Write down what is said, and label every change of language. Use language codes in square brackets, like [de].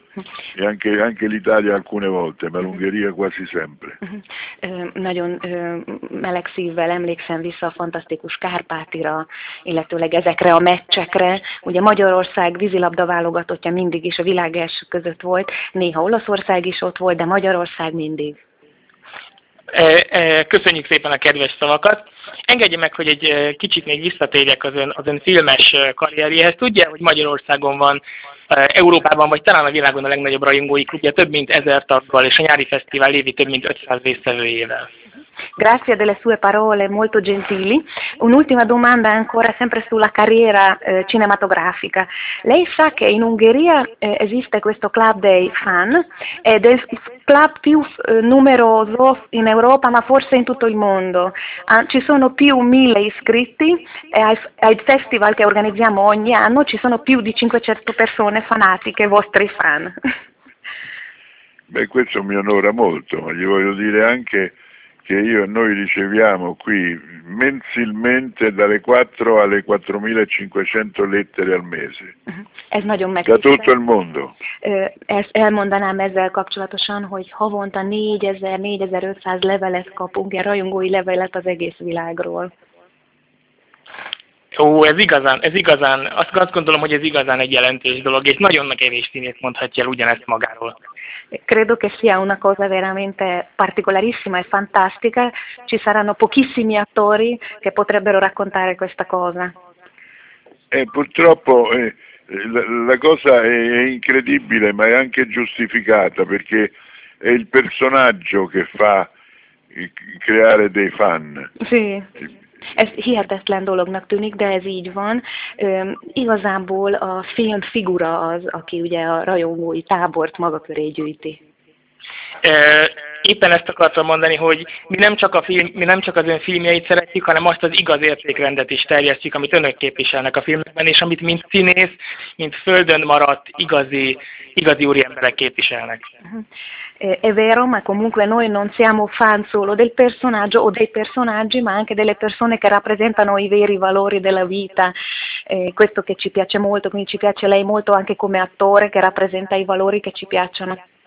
[it] E anche l'Italia alcune volte, ma l'Ungheria quasi sempre. [hu] Nagyon meleg szívvel emlékszem vissza a fantasztikus Kárpátira, illetőleg ezekre a meccsekre. Ugye Magyarország vízilabda válogatottja mindig is a világ első között volt, néha Olaszország is ott volt, de Magyarország mindig. Köszönjük szépen a kedves szavakat. Engedje meg, hogy egy kicsit még visszatérjek az ön filmes karrieréhez. Tudja, hogy Magyarországon van, Európában, vagy talán a világon a legnagyobb rajongói klubja, több mint 1000 taggal, és a nyári fesztivál évi több mint 500 résztvevőjével. [it] Grazie delle sue parole molto gentili. Un'ultima domanda ancora sempre sulla carriera cinematografica. Lei sa che in Ungheria esiste questo club dei fan, ed è il club più numeroso in Europa, ma forse in tutto il mondo. Ci sono più 1000 iscritti e ai festival che organizziamo ogni anno ci sono più di 500 persone fanatiche, vostri fan. Beh, questo mi onora molto, ma gli voglio dire anche che io e noi riceviamo qui mensilmente dalle 4 alle 4.500 lettere al mese. [hu] Ez nagyon megtisztelő. [it] Da tutto il mondo. [hu] Ezt elmondanám ezzel kapcsolatosan, hogy havonta 4.000-4.500 levelet kapunk, ilyen rajongói levelet az egész világról. Ó, ez igazán, azt gondolom, hogy ez igazán egy jelentős dolog, és nagyon kevés színész mondhatja el ugyanezt magáról. [it] Credo che sia una cosa veramente particolarissima e fantastica. Ci saranno pochissimi attori che potrebbero raccontare questa cosa. Purtroppo la cosa è incredibile, ma è anche giustificata, perché è il personaggio che fa creare dei fan. Sì. [hu] Ez hihetetlen dolognak tűnik, de ez így van. Igazából a film figura az, aki ugye a rajongói tábort maga köré gyűjti. Éppen ezt akartam mondani, hogy mi nem csak az ön filmjeit szeretjük, hanem azt az igaz értékrendet is terjesztjük, amit önök képviselnek a filmekben, és amit mint színész, mint földön maradt igazi úriemberek képviselnek. [it] È vero, ma comunque noi non siamo fan solo del personaggio o dei personaggi, ma anche delle persone che rappresentano i veri valori della vita. Questo che ci piace molto, quindi ci piace lei molto anche come attore che rappresenta i valori che ci piacciono.